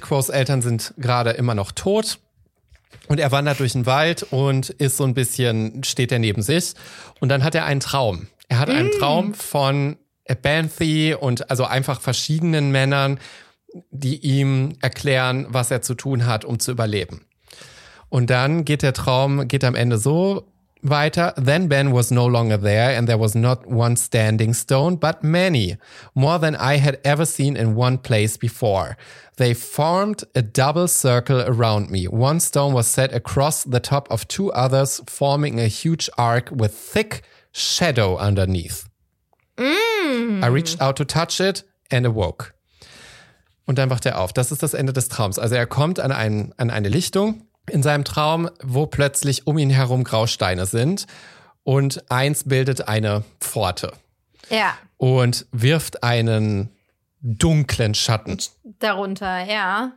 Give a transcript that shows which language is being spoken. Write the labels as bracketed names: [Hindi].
[German] Quos Eltern sind gerade immer noch tot. Und er wandert durch den Wald und ist so ein bisschen, steht er neben sich. Und dann hat er einen Traum. Er hat einen Traum von Abanthi und also einfach verschiedenen Männern, die ihm erklären, was er zu tun hat, um zu überleben. Und dann geht der Traum, geht am Ende so weiter. [English] Then Ben was no longer there and there was not one standing stone, but many, more than I had ever seen in one place before. They formed a double circle around me. One stone was set across the top of two others, forming a huge arc with thick shadow underneath. I reached out to touch it and awoke. [German] Und dann wacht er auf. Das ist das Ende des Traums. Also er kommt an eine Lichtung in seinem Traum, wo plötzlich um ihn herum Grausteine sind und eins bildet eine Pforte. Ja. Und wirft einen dunklen Schatten. Darunter, ja.